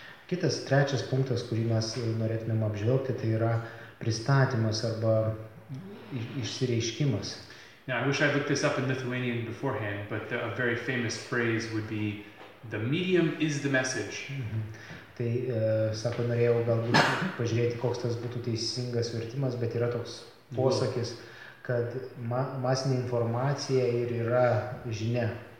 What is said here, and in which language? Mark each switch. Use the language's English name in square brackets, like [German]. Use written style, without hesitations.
[Lithuanian] Kitas trečias punktas, kurį mes norėtumėm apžvelgti, tai yra pristatymas arba išsireiškimas. [English] Now, I wish I looked this up in Lithuanian beforehand, but a very famous phrase would be the medium is the message. [Lithuanian] Tai, sako, norėjau galbūt pažiūrėti, koks tas būtų teisingas vertimas, bet yra toks posakis, kad masinė informacija ir yra žinia.